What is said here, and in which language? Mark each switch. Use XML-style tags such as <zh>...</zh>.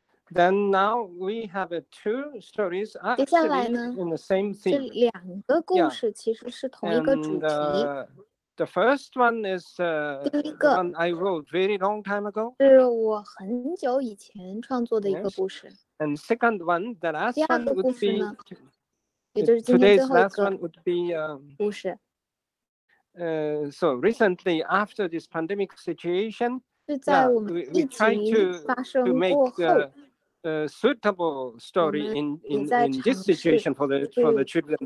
<en>Then now we have two stories actually in the same theme.</en> <zh>这两个故事其实是同一个主题。</zh> <en>Yeah. And, the first one is the one I wrote very long time ago.</en> <zh>是我很久以前创作的一个故事。</zh> <en>Yes. And second one, the last one would be</en> <zh>也就是今天最后一个,</zh> <en>today's last one would be</en> <zh>故事。</zh> <en>So recently, after this pandemic situation, we tried to make a suitable story in this situation for the children.</en>